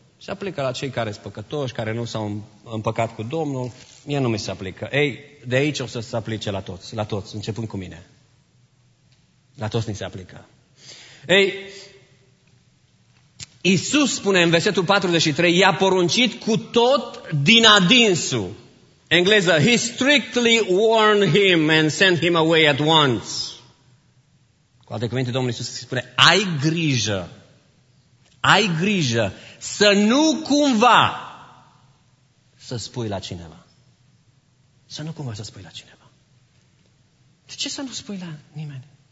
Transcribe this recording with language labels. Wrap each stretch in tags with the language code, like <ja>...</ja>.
<ro>Se aplică la cei care sunt păcătoși, care nu s-au împăcat cu Domnul, mie nu mi se aplică. Ei, de aici o să se aplice la toți, la toți, începând cu mine. La toți ni se aplică. Ei, Iisus spune în versetul 43, i-a poruncit cu tot din adinsul.</ro> <en>Engleză, he strictly warned him and sent him away at once.</en> <ro>Cu alte cuvinte, Domnul Iisus spune, ai grijă. Ai grijă să nu cumva să spui la cineva. Să nu cumva să spui la cineva. De ce să nu spui la nimeni?</ro>